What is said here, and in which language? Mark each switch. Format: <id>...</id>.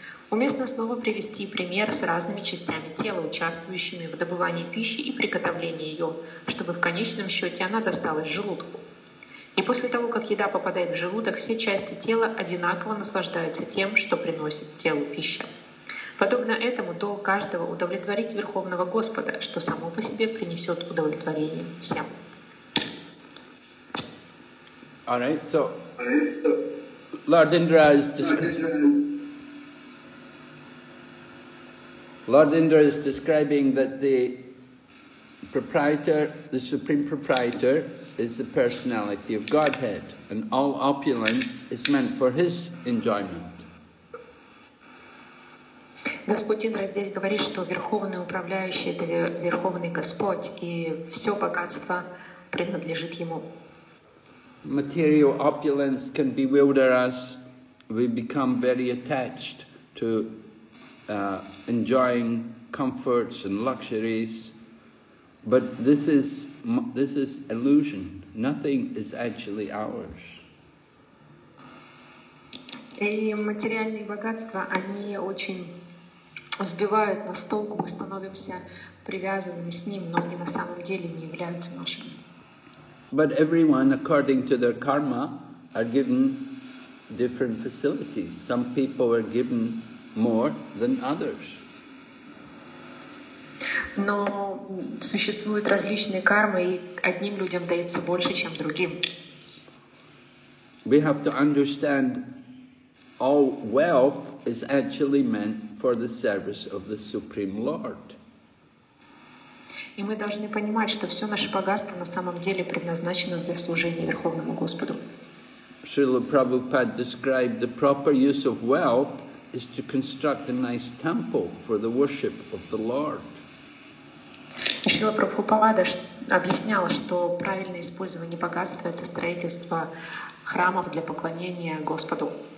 <ru>Уместно снова привести пример с разными частями тела, участвующими в добывании пищи и приготовлении ее, чтобы в конечном счете она досталась желудку. И после того, как еда попадает в желудок, все части тела одинаково наслаждаются тем, что приносит телу пища. Подобно этому, долг каждого удовлетворить Верховного Господа, что само по себе принесет удовлетворение всем.</ru> <en>All right, so Lord Indra is describing that the proprietor, the supreme proprietor, is the personality of Godhead, and all opulence is meant for his enjoyment.</en> <ru>Господь Индра здесь говорит, что Верховный Управляющий – это Верховный Господь, и все богатство принадлежит Ему.</ru> <en>Material opulence can bewilder us. We become very attached to enjoying comforts and luxuries. But this is illusion. Nothing is actually ours.</en> <ru>И материальные богатства, они очень сбивают нас с толку, мы становимся привязанными с ним, но они на самом деле не являются нашими.</ru> <en>But everyone, according to their karma, are given different facilities. Some people are given more than others.</en> <ru>Но существуют различные кармы, и одним людям дается больше, чем другим.</ru> <en>We have to understand all wealth is actually meant for the service of the Supreme Lord.</en> <ru>И мы должны понимать, что все наше богатство на самом деле предназначено для служения Верховному Господу.</ru> <en>Srila Prabhupada described the proper use of wealth is to construct a nice temple for the worship of the Lord.</en> <ru>Srila Prabhupada объясняла, что правильное использование богатства — это строительство храмов для поклонения Господу.</ru>